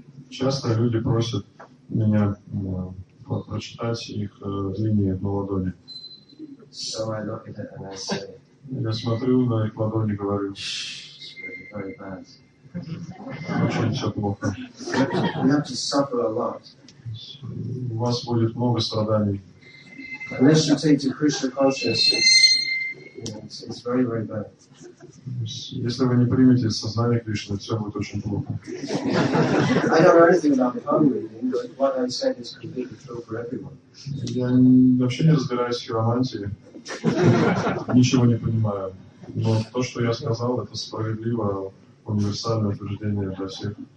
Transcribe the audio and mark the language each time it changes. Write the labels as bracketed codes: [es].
[ru] Часто люди просят меня прочитать их линии на ладони. [en] So I look at it and I say, [ru] я смотрю на их ладони и говорю, [en] very bad. [ru] Очень все плохо. [en] You have to suffer a lot. [ru] У вас будет много страданий. [en] Unless you take to Krishna consciousness, it's very, very bad. [ru] Если вы не примете сознание Кришны, все будет очень плохо. [en] I don't know anything about the Hiromantic, but what I said is completely true for everyone. [ru] Я вообще не разбираюсь в хиромантии. Ничего не понимаю. Но то, что я сказал, это справедливо. Универсальное утверждение для всех.